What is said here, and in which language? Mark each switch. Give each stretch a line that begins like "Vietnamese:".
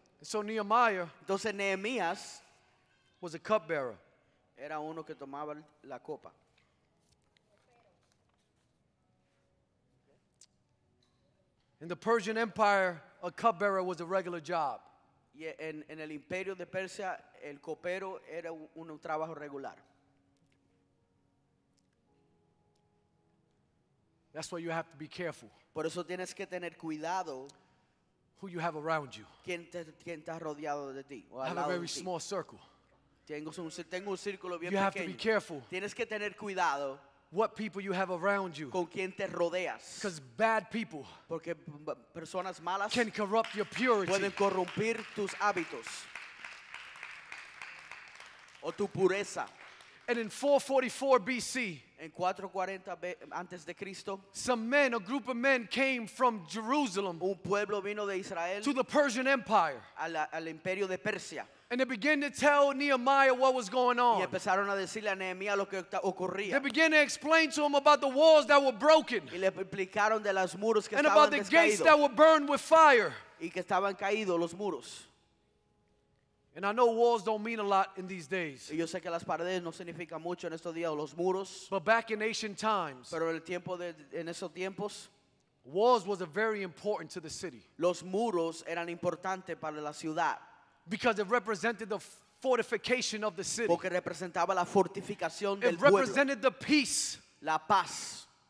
English: So Nehemiah,
Spanish: entonces, Nehemías
English: was a cupbearer.
Spanish: Era uno que tomaba la copa.
English: In the Persian Empire, a cupbearer was a regular job.
Spanish: En el imperio de Persia, el copero era un trabajo regular.
English: That's why you have to be careful.
Spanish: Por eso tienes que tener cuidado.
English: Who you have around you.
Spanish: Quien está rodeado de ti.
English: I have a very small circle.
Spanish: Tengo un círculo bien pequeño.
English: You have to be careful.
Spanish: Tienes que tener cuidado.
English: What people you have around you.
Spanish: Con quien te rodeas.
English: Because bad people.
Spanish: Porque personas malas.
English: Can corrupt your purity.
Spanish: Pueden corrompir tus hábitos. O tu pureza.
English: And in 444 BC.
Spanish: En 440 antes de Cristo.
English: Some men, a group of men, came from Jerusalem.
Spanish: Un pueblo vino de Israel.
English: To the Persian Empire.
Spanish: Al imperio de Persia.
English: And they began to tell Nehemiah what was going on.
Spanish: Y empezaron a decirle a Nehemías lo que ocurría.
English: They began to explain to him about the walls that were broken.
Spanish: Y le explicaron de los muros que
English: and about the gates that were burned with fire.
Spanish: Y que estaban caídos los muros.
English: And I know walls don't mean a lot in these days.
Spanish: Y yo sé que las paredes no significan mucho en estos días o los muros.
English: But back in ancient times.
Spanish: Pero en esos tiempos.
English: Walls was a very important to the city.
Spanish: Los muros eran importantes para la ciudad.
English: Because it represented the fortification of the city.
Spanish: Porque representaba la fortificación del pueblo.
English: It represented the peace.
Spanish: La paz.